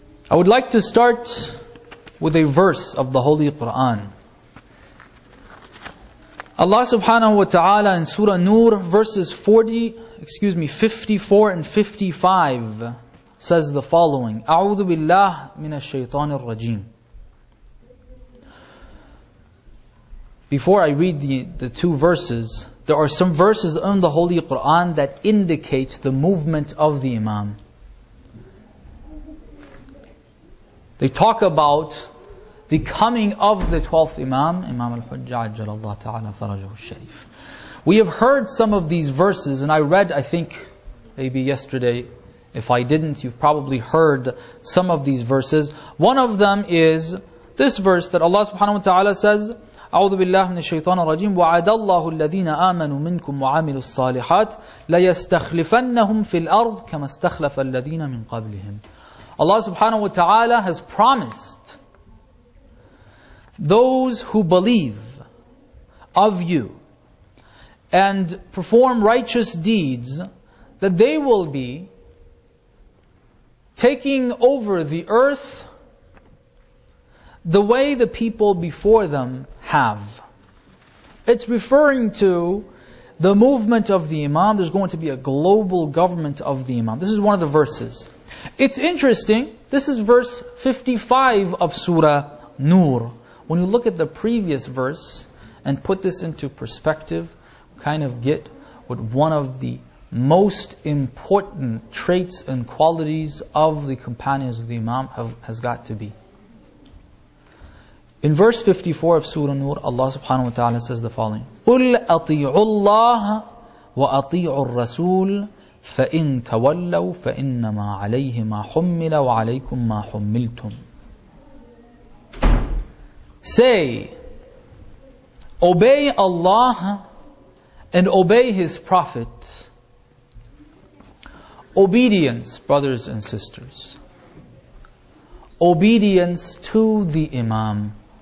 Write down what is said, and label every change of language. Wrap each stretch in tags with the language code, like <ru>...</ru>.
<en>I would like to start with a verse of the Holy Quran. Allah subhanahu wa ta'ala in Surah Nur, verses 54 and 55 says the following.</en> <ar>أعوذ بالله من الشيطان الرجيم.</ar> <en>Before I read the two verses, there are some verses in the Holy Quran that indicate the movement of the Imam. They talk about the coming of the 12th Imam, Imam al-Hujjah ajjalallah ta'ala farajahu al-sharif. We have heard some of these verses, and I read, I think, maybe yesterday. If I didn't, you've probably heard some of these verses. One of them is this verse that Allah subhanahu wa ta'ala says,</en> <ar>أَعُوذُ بِاللَّهِ مِنَ الشَّيْطَانِ الرَّجِيمِ وَعَدَ اللَّهُ الَّذِينَ آمَنُوا مِنْكُمْ وَعَمِلُوا الصَّالِحَاتِ لَيَسْتَخْلِفَنَّهُمْ فِي الْأَرْضِ كَمَا اسْتَخْلَفَ الَّذِينَ مِنْ قَبْلِهِمْ.</ar> <en>Allah subhanahu wa ta'ala has promised those who believe of you and perform righteous deeds, that they will be taking over the earth the way the people before them have. It's referring to the movement of the Imam. There's going to be a global government of the Imam. This is one of the verses. It's interesting. This is verse 55 of Surah Nur. When you look at the previous verse and put this into perspective, kind of get what one of the most important traits and qualities of the companions of the Imam has got to be. In verse 54 of Surah Nur, Allah subhanahu wa ta'ala says the following:</en> <ar>قُلْ أَطِيعُوا اللَّهَ وَأَطِيعُوا الرَّسُولَ فَإِنْ تَوَلَّوْا فَإِنَّمَا عَلَيْهِ مَا حُمِّلَ وَعَلَيْكُمْ مَا حُمِّلْتُمْ.</ar> <en>Say, obey Allah and obey His Prophet. Obedience, brothers and sisters. Obedience to the Imam.</en>